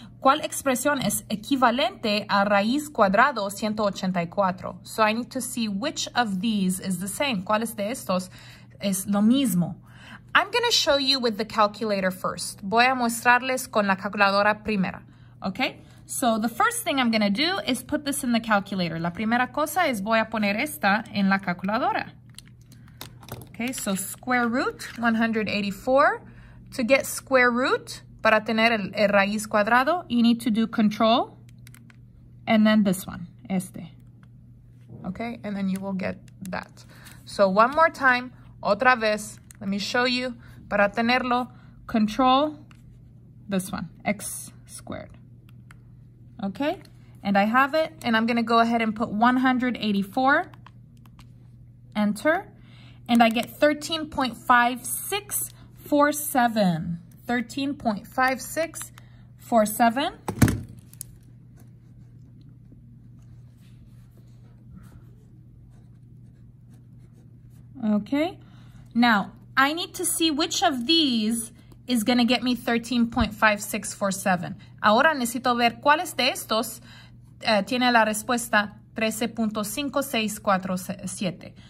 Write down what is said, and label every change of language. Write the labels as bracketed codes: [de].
[es] ¿Cuál expresión es equivalente a raíz cuadrado 184? [en] So I need to see which of these is the same. [es] ¿Cuál es de estos es lo mismo? [en] I'm going to show you with the calculator first. [es] Voy a mostrarles con la calculadora primera. [en] Okay? So the first thing I'm going to do is put this in the calculator. [es] La primera cosa es voy a poner esta en la calculadora. [en] Okay, so square root 184. To get square root, [es] para tener el raíz cuadrado, [en] you need to do control and then this one, este. Okay, and then you will get that. So one more time, [es] otra vez, [en] let me show you. [es] Para tenerlo, [en] control this one, x squared. Okay, and I have it, and I'm going to go ahead and put 184, enter, and I get 13.5647. 13.5647. Okay, now I need to see which of these is going to get me 13.5647. [es] Ahora necesito ver cuáles de estos tiene la respuesta 13.5647.